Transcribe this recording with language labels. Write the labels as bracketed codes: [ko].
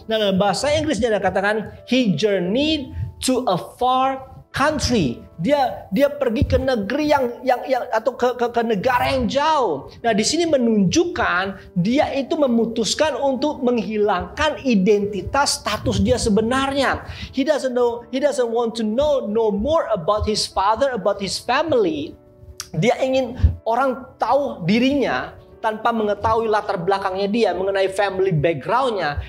[id] Nah, dalam bahasa Inggrisnya dia katakan, [en] he journeyed to a far country. [id] Dia pergi ke negeri yang atau ke negara yang jauh. Nah, di sini menunjukkan dia itu memutuskan untuk menghilangkan identitas status dia sebenarnya. [en] He doesn't want to know no more about his father, about his family. [id] Dia ingin orang tahu dirinya tanpa mengetahui latar belakangnya dia mengenai family background-nya.